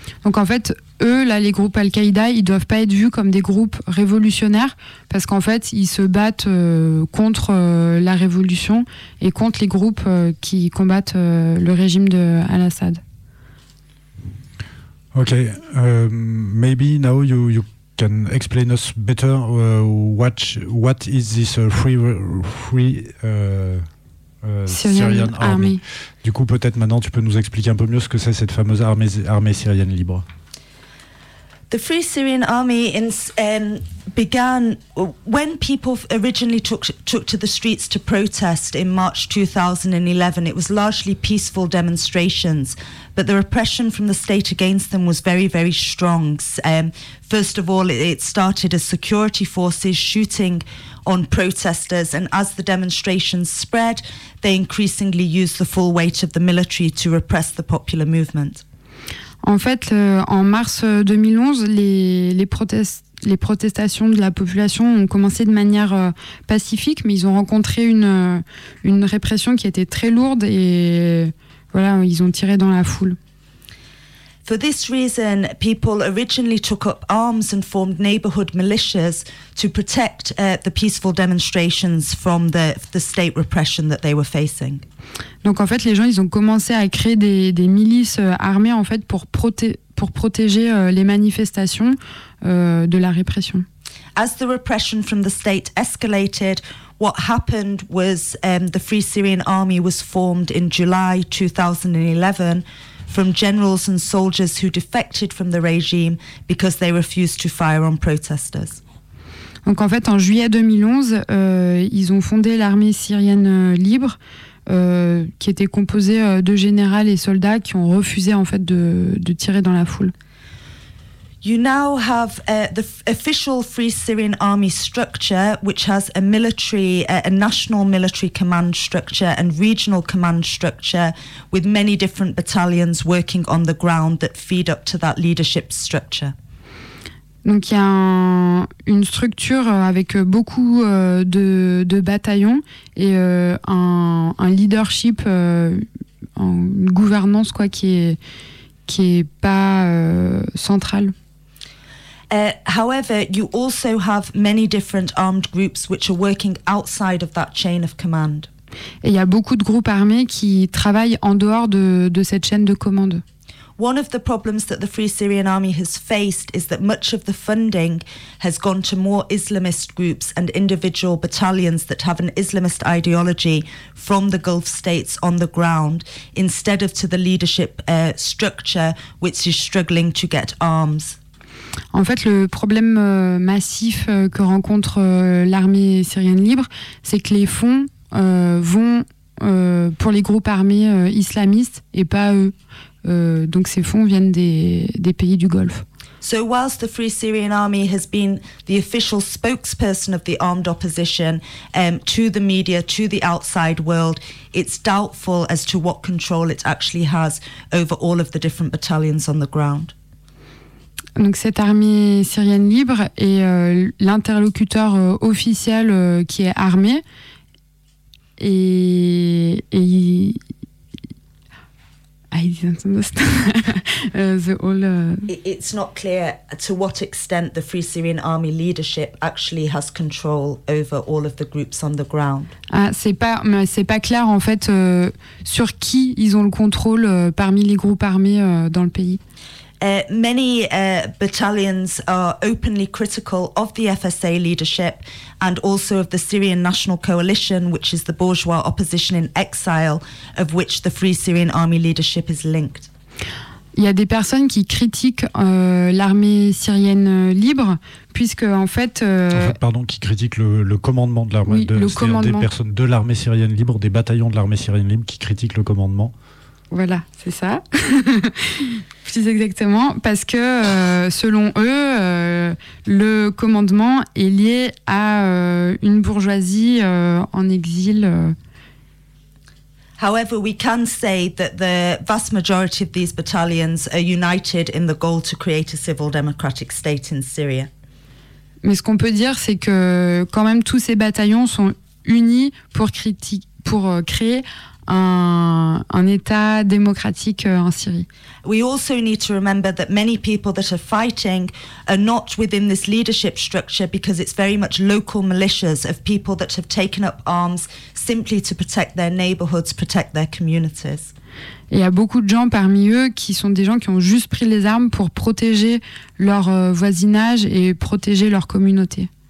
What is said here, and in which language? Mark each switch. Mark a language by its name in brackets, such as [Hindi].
[French] Donc en fait, eux, là, les groupes Al-Qaïda, ils ne doivent pas être vus comme des groupes révolutionnaires parce qu'en fait, ils se battent contre la révolution et contre les groupes qui combattent le régime de Al-Assad. [English] Ok, maybe now you can explain us better what is this Syrian Army. [French] Du coup, peut-être maintenant, tu peux nous expliquer un peu mieux ce que c'est cette fameuse armée syrienne libre. [English] The Free Syrian Army began when people originally took to the streets to protest in March 2011. It was largely peaceful demonstrations, but the repression from the state against them was very, very strong. First of all, it started as security forces shooting on protesters, and as the demonstrations spread, they increasingly used the full weight of the military to repress the popular movement. [French] En fait, en mars 2011, les protestations de la population ont commencé de manière pacifique, mais ils ont rencontré une répression qui était très lourde et voilà, ils ont tiré dans la foule. [English] For this reason, people originally took up arms and formed neighborhood militias to protect the peaceful demonstrations from the state repression that they were facing. [French] Donc en fait, les gens, ils ont commencé à créer des milices armées en fait pour protéger les manifestations de la répression. [English] As the repression from the state escalated, what happened was the Free Syrian Army was formed in July 2011. From generals and soldiers who defected from the regime because they refused to fire on protesters. [French] Donc en fait, en juillet 2011, ils ont fondé l'armée syrienne libre, qui était composée de généraux et soldats qui ont refusé en fait de tirer dans la foule. [English] You now have the official Free Syrian Army structure, which has a military, a national military command structure and regional command structure, with many different battalions working on the ground that feed up to that leadership structure. [French] Donc il y a une structure avec beaucoup de bataillons et un leadership, une gouvernance quoi qui est pas centrale. [English] However, you also have many different armed groups which are working outside of that chain of command. [French] Et il y a beaucoup de groupes armés qui travaillent en dehors de cette chaîne de commande. [English] One of the problems that the Free Syrian Army has faced is that much of the funding has gone to more Islamist groups and individual battalions that have an Islamist ideology from the Gulf states on the ground, instead of to the leadership structure which is struggling to get arms. [French] En fait, le problème massif que rencontre l'armée syrienne libre, c'est que les fonds vont pour les groupes armés islamistes et pas eux. Donc ces fonds viennent des pays du Golfe. [English] So whilst the Free Syrian Army has been the official spokesperson of the armed opposition to the media, to the outside world, it's doubtful as to what control it actually has over all of the different battalions on the ground. [French] Donc cette armée syrienne libre est l'interlocuteur officiel qui est armé et [English] I didn't understand the whole. It's not clear to what extent the Free Syrian Army leadership actually has control over all of the groups on the ground. [French] Ah, c'est pas clair en fait sur qui ils ont le contrôle parmi les groupes armés dans le pays. Many battalions are openly critical of the FSA leadership and also of the Syrian National Coalition, which is the bourgeois opposition in exile, of which the Free Syrian Army leadership is linked. Il y a des personnes qui critiquent l'armée syrienne libre, puisque en fait, qui critiquent le commandement de l'armée, oui, des personnes de l'armée syrienne libre, des bataillons de l'armée syrienne libre qui critiquent le commandement. Voilà, c'est ça. Plus exactement, parce que selon eux, le commandement est lié à une bourgeoisie en exil. [English] However, we can say that the vast majority of these battalions are united in the goal to create a civil democratic state in Syria. [French] Mais ce qu'on peut dire, c'est que quand même tous ces bataillons sont unis pour créer un état démocratique en Syrie. [English] We also need to remember that many people that are fighting are not within this leadership structure because it's very much local militias of people that have taken up arms simply to protect their neighborhoods, protect their communities. [French] Il y a beaucoup de gens parmi eux qui sont des gens qui ont juste pris les armes pour protéger leur voisinage et protéger leur communauté.